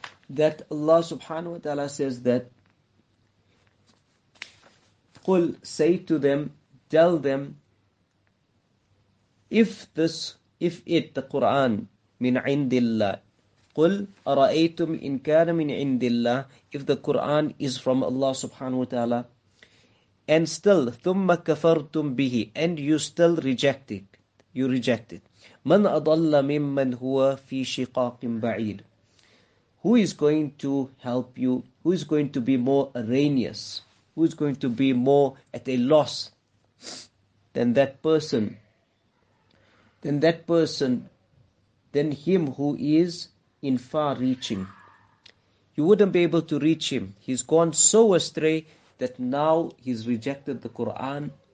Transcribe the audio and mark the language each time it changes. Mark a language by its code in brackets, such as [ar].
[en] That Allah subhanahu wa ta'ala says that, قُلْ, say to them, tell them, if it, the Qur'an, [ar] مِنْ عِنْدِ اللَّهِ, قُلْ أَرَأَيْتُمْ إِنْ كَانَ مِنْ عِنْدِ اللَّهِ, [en] if the Qur'an is from Allah subhanahu wa ta'ala, and still, [ar] ثُمَّ كَفَرْتُمْ بِهِ, [en] and you still reject it, you reject it. [ar] مَنْ أَضَلَّ مِمَّنْ هُوَ فِي شِقَاقٍ بَعِيدٍ, [en] who is going to help you? Who is going to be more erroneous? Who is going to be more at a loss than that person? Than that person, than him who is in far reaching. You wouldn't be able to reach him. He's gone so astray that now he's rejected the Quran.